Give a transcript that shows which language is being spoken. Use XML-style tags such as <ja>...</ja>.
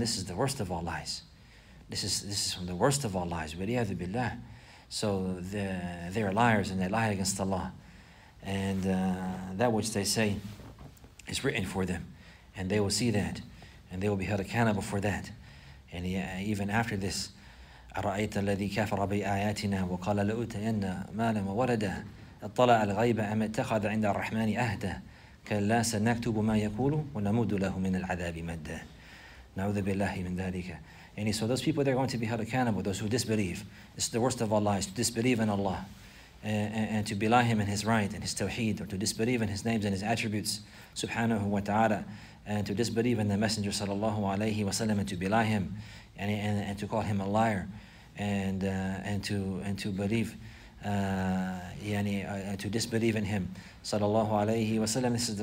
<en>This is the worst of all lies. This is from the worst of all lies.</en> <ar>وَلِيَذُ بِاللَّهِ.</ar> <en>So they are liars and they lie against Allah. And that which they say is written for them. And they will see that. And they will be held accountable for that. And even after this,</en> <ar>أَرَأَيْتَ الَّذِي كَفَرَ بِآيَاتِنَا وَقَالَ لَأُوتَيَنَّ مَالًا وَوَلَدًا اطَّلَعَ الْغَيْبَ أَمْ اتَّخَذَ عِنْدَ الرَّحْمَنِ أَهْدًا كَلَّا سَنَكْتُبُ مَا يَقُولُ وَنَمُدُّ لَهُ مِنَ الْعَذَابِ مَدًّا نَعُوذُ بِاللَّهِ مِنْ ذَلِكَ.</ar> <en>And so those people, they're going to be held accountable, those who disbelieve. It's the worst of all lies, to disbelieve in Allah and to belie Him in His right and His tawheed, or to disbelieve in His names and His attributes, subhanahu wa ta'ala, and to disbelieve in the Messenger sallallahu alayhi wa sallam, and to belie him and to call him a liar and to believe to disbelieve in him sallallahu alayhi wa sallam.</en>